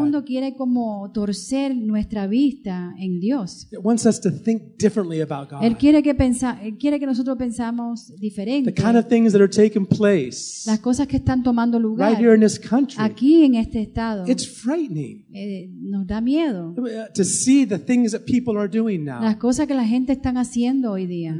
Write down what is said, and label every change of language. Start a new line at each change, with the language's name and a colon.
Spanish: Mundo quiere como torcer nuestra vista en Dios.
English: It wants us to think differently about God.
Spanish: Él quiere que nosotros pensamos diferente.
English: The kind of things that are taking place.
Spanish: Las cosas que están tomando lugar.
English: Right here in this country.
Spanish: Aquí en este estado.
English: It's frightening.
Spanish: Nos da miedo.
English: To see the things that people are doing now.
Spanish: Las cosas que la gente están haciendo hoy día.